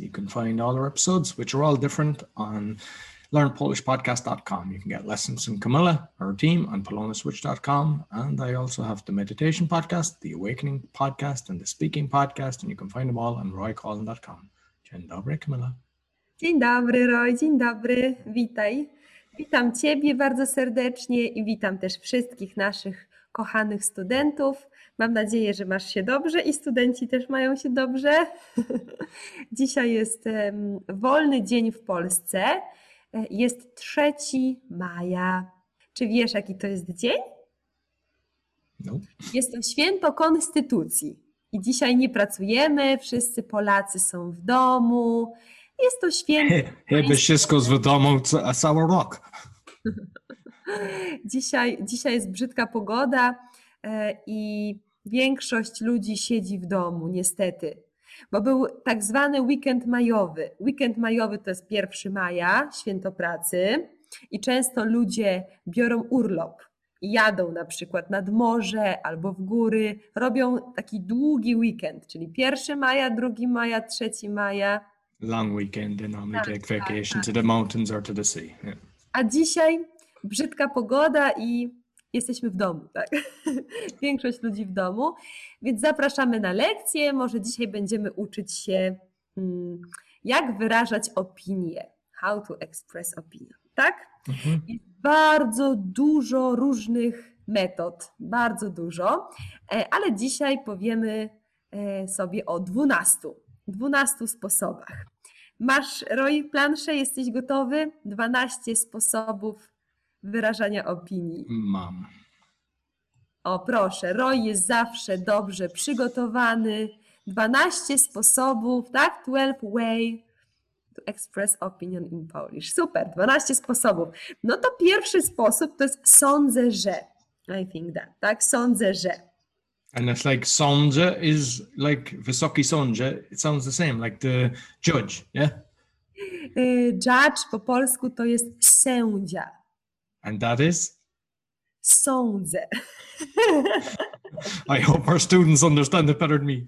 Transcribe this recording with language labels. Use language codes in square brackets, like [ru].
[en] You can find all our episodes, which are all different, on learnpolishpodcast.com. You can get lessons from Camilla, her team, on polonaswitch.com. And I also have the meditation podcast, the awakening podcast, and the speaking podcast. And you can find them all on roycollin.com. [pl] Dzień dobry, Camilla. Dzień dobry, Roy. Dzień dobry. Witaj. Witam Ciebie bardzo serdecznie i witam też wszystkich naszych kochanych studentów. Mam nadzieję, że masz się dobrze i studenci też mają się dobrze. Dzisiaj jest wolny dzień w Polsce. Jest 3 maja. Czy wiesz, jaki to jest dzień? [en] No. [pl] Jest to święto Konstytucji. I dzisiaj nie pracujemy, wszyscy Polacy są w domu. Jest to święto... Chyba wszystko z domu, cały rok. Dzisiaj jest brzydka pogoda i większość ludzi siedzi w domu, niestety. Bo był tak zwany weekend majowy. Weekend majowy to jest 1 maja, święto pracy. I często ludzie biorą urlop i jadą na przykład nad morze albo w góry. Robią taki długi weekend, czyli 1 maja, 2 maja, 3 maja. [en] Long weekend, and only take vacation to the mountains or to the sea. Yeah. [pl] A dzisiaj brzydka pogoda i jesteśmy w domu, tak? Większość ludzi w domu, więc zapraszamy na lekcję. Może dzisiaj będziemy uczyć się, jak wyrażać opinię. [en] How to express opinion, [pl] tak? Mhm. Jest bardzo dużo różnych metod, bardzo dużo, ale dzisiaj powiemy sobie o 12 sposobach. Masz, Roy, planszę? Jesteś gotowy? 12 sposobów wyrażania opinii. Mam. O, proszę, Roy jest zawsze dobrze przygotowany. 12 sposobów, tak? [en] 12 way to express opinion in Polish. [pl] Super, 12 sposobów. No to pierwszy sposób to jest sądzę, że. [en] I think that, [pl] tak? Sądzę, że. [en] And it's like sądzę is like [pl] wysoki sądzę. [en] It sounds the same, like the judge, yeah? [pl] Judge po polsku to jest sędzia. [en] And that is? [pl] Sądzę. [en] I hope our students understand it better than me.